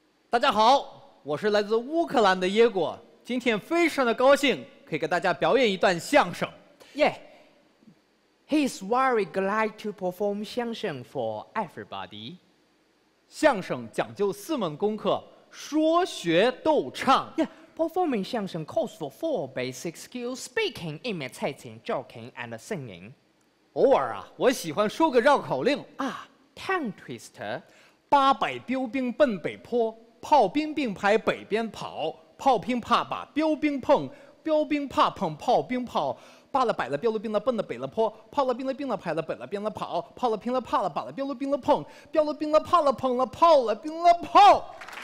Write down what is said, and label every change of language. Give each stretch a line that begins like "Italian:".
Chinese: 大家好，我是来自乌克兰的耶果，今天非常的高兴可以给大家表演一段相声。
English: Yeah, he is very glad to perform 相声 for everybody.
Chinese: 相声讲究四门功课，说学逗唱。
English: Yeah, performing 相声 calls for four basic skills: speaking, imitating, joking, and singing.
Chinese: 偶尔啊，我喜欢说个绕口令
English: 啊、tongue twister.
Chinese: 八百标兵奔北坡，炮兵并排北边跑，炮兵怕把标兵碰，标兵怕碰炮兵炮，罢了摆了标了兵了奔了北了坡，炮了兵了兵了排了北了边了跑，炮了兵了怕了把了标了兵了碰，标了兵了怕了碰了炮了兵了炮。